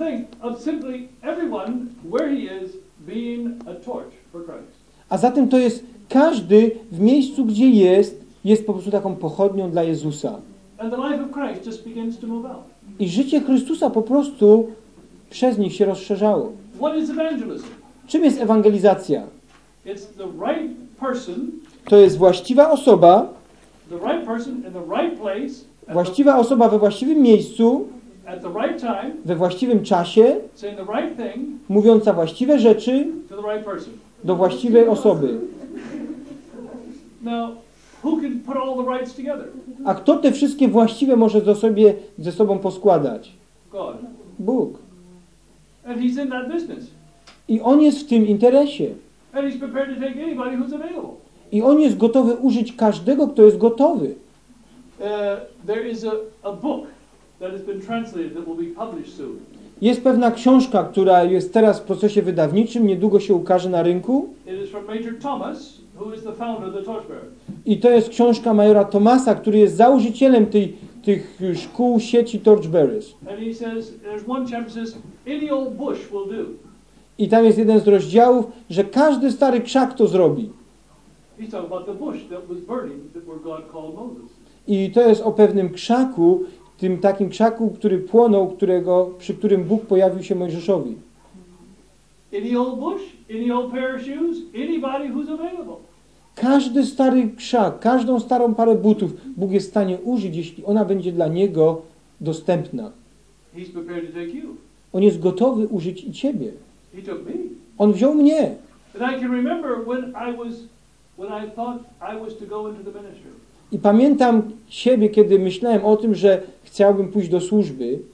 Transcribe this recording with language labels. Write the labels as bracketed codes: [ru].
[en] think of simply everyone where he is being a torch for Christ. [pl] A zatem to jest każdy w miejscu, gdzie jest, jest po prostu taką pochodnią dla Jezusa. [en] And the life of Christ just begins to move out. [pl] I życie Chrystusa po prostu przez nich się rozszerzało. [en] What is evangelism? [pl] Czym jest ewangelizacja? [en] It's the right person. [pl] To jest właściwa osoba. [en] The right person in the right place. [pl] Właściwa osoba we właściwym miejscu. [en] At the right time. [pl] We właściwym czasie. [en] Saying the right thing. [pl] Mówiąca właściwe rzeczy. [en] To the right person. [pl] Do właściwej osoby. [en] Now, who can put all the rights together? [pl] A kto te wszystkie właściwe może ze sobą poskładać? [en] God. [pl] Bóg. [en] And he's in that business. [pl] I on jest w tym interesie. [en] And he's prepared to take anybody who's available. [pl] I on jest gotowy użyć każdego, kto jest gotowy. [en] There is a book that has been translated that will be published soon. [pl] Jest pewna książka, która jest teraz w procesie wydawniczym, niedługo się ukaże na rynku. [en] It is from Major Thomas, who is the founder of the Torchbearer. [pl] I to jest książka majora Thomasa, który jest założycielem tych szkół sieci Torchbearers. [en] And he says, there's one chapter that says, any old bush will do. [pl] I tam jest jeden z rozdziałów, że każdy stary krzak to zrobi. [en] He's talking about the bush that was burning, that where God called Moses. [pl] I to jest o pewnym krzaku, tym takim krzaku, który płonął, przy którym Bóg pojawił się Mojżeszowi. [en] Any old bush, any old pair of shoes, anybody who's available. [pl] Każdy stary krzak, każdą starą parę butów Bóg jest w stanie użyć, jeśli ona będzie dla Niego dostępna. [en] He's prepared to take you. [pl] On jest gotowy użyć i Ciebie. [en] He took me. [pl] On wziął mnie. [en] And I can remember when I thought I was to go into the ministry. [pl] I pamiętam siebie, kiedy myślałem o tym, że chciałbym pójść do służby.